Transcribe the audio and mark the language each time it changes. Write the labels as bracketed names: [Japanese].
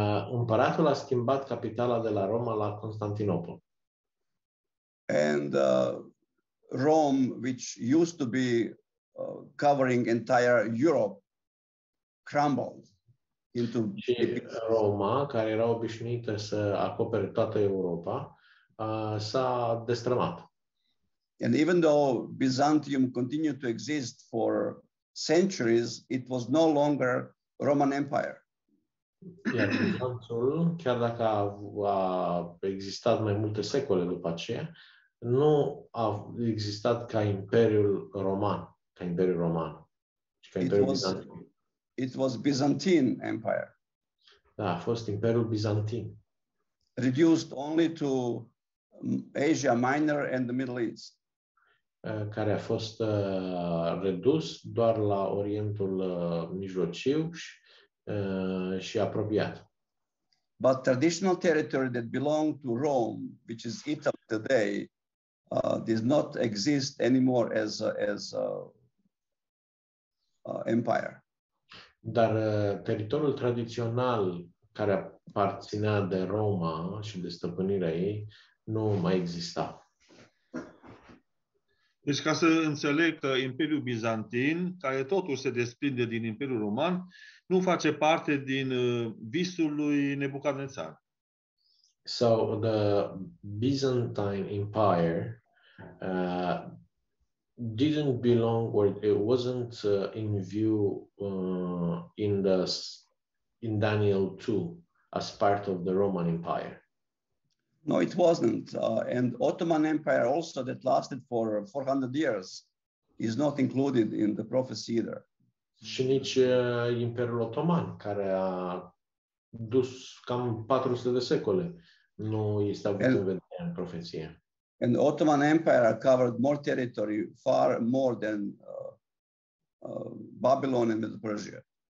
[Romanian] Împăratul a schimbat capitala de la Roma la Constantinopol. [English] And Rome, which used to be covering entire Europe, crumbled into [Romanian] Roma, care era obișnuită să acopere toată Europa, s-a destrămat. [English] And even though Byzantium continued to exist for centuries, it was no longer Roman Empire. [Romanian] Iar Bizantul, chiar dacă a existat mai multe secole după aceea, nu a existat ca Imperiul Roman, ca Imperiul Roman, ci ca Imperiul Bizantin. [English] It was Byzantine Empire. [Romanian] Da, a fost Imperiul Bizantin. [English] Reduced only to Asia Minor and the Middle East. [Romanian] Care a fost redus doar la Orientul Mijlociu și apropiat. [English] But traditional territory that belonged to Rome, which is Italy today, does not exist anymore as empire. [Romanian] Dar teritoriul tradițional care aparținea de Roma și de stăpânirea ei nu mai exista. Deci ca să înțeleg că Imperiul Bizantin, care totuși se desprinde din Imperiul Roman, nu face parte din visul lui Nebucadnețar. [English] So the Byzantine Empire didn't belong, or it wasn't in view in Daniel 2 as part of the Roman Empire. No, it wasn't. And Ottoman Empire also, that lasted for 400 years, is not included in the prophecy either. [Romanian] Și nici Imperiul Otoman, care a dus cam 400 de secole, nu este avut în vedere în profeție. [English] And the Ottoman Empire covered more territory, far more than Babylon and Medo-Persia.